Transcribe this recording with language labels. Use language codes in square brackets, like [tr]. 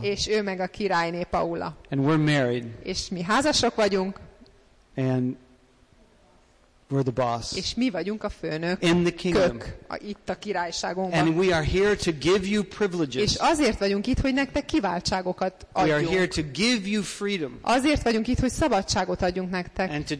[hu] És ő meg a királyné Paula. [en] And we're married. [hu] És mi házasok vagyunk. [en] And We're the boss. [hu] És mi vagyunk a főnök. [en] In the kingdom. [hu] Kök, itt a királyságunkban. [en] And we are here to give you privileges. [hu] És azért vagyunk itt, hogy nektek kiváltságokat adjunk. [en] We are here to give you freedom. [hu] Azért vagyunk itt, hogy szabadságot adjunk nektek.